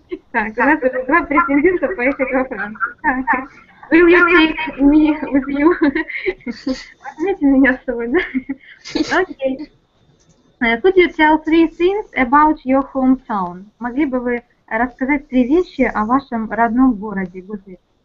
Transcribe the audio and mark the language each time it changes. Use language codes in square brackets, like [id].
[ru] Так, у нас уже два претендента поехать во Францию. [en] Will you take me with you? [ru] Возьмите меня с собой, да? Окей. [en] Could you tell three things about your hometown? [ru] Могли бы вы рассказать три вещи о вашем родном городе, Гузель?